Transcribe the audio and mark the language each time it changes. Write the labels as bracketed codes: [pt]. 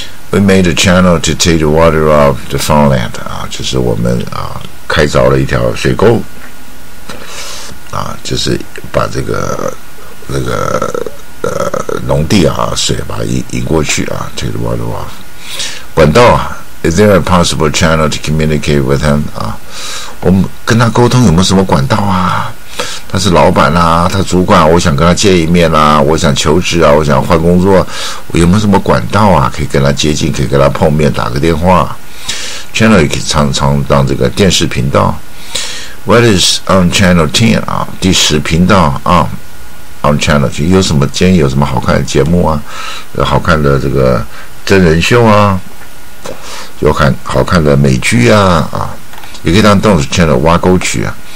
[en] We made a channel to take the water off the farmland [zh] 啊，就是我们啊开凿了一条水沟啊，就是把这个那、这个农地啊水把它引过去啊 ， [en] take the water off [zh] 管道啊。 [en] Is there a possible channel to communicate with him 啊？ [zh] 我们跟他沟通有没有什么管道啊？他是老板啊，他主管，我想跟他见一面啊，我想求职啊，我想换工作，我有没有什么管道啊可以跟他接近，可以跟他碰面打个电话。 Channel 也可以常当这个电视频道。 [en] What is on channel 10 [zh] 啊，第十频道啊 on channel 10有什么，今天有什么好看的节目啊，好看的这个真人秀啊，有好看的美剧啊啊，也可以当动词 channel 挖沟渠啊。